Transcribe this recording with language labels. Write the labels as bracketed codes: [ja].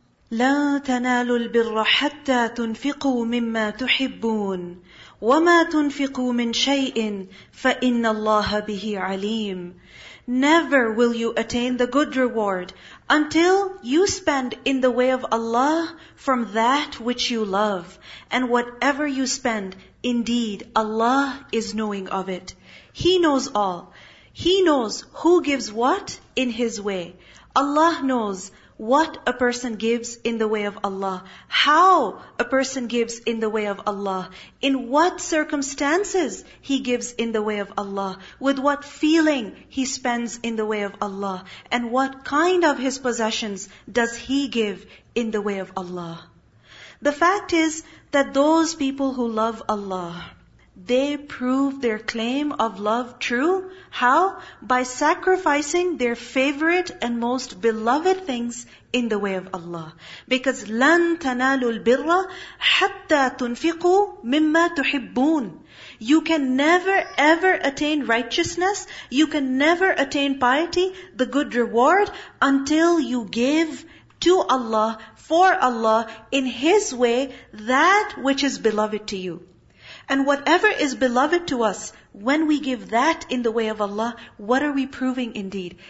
[ar] لا تنالوا البر حتى تنفقوا مما تحبون وما تنفقوا من شيء فإن الله به عليم. [en] Never will you attain the good reward until you spend in the way of Allah from that which you love. And whatever you spend, indeed Allah is knowing of it. He knows all. He knows who gives what in His way. Allah knows what a person gives in the way of Allah, how a person gives in the way of Allah, in what circumstances he gives in the way of Allah, with what feeling he spends in the way of Allah, and what kind of his possessions does he give in the way of Allah. The fact is that those people who love Allah, they prove their claim of love true. How? By sacrificing their favorite and most beloved things in the way of Allah. Because [ar] لَن تَنَالُوا الْبِرَّ حَتَّى تُنْفِقُوا مِمَّا تُحِبُّونَ. [en] You can never ever attain righteousness. You can never attain piety, the good reward, until you give to Allah, for Allah, in His way, that which is beloved to you. And whatever is beloved to us, when we give that in the way of Allah, what are we proving indeed?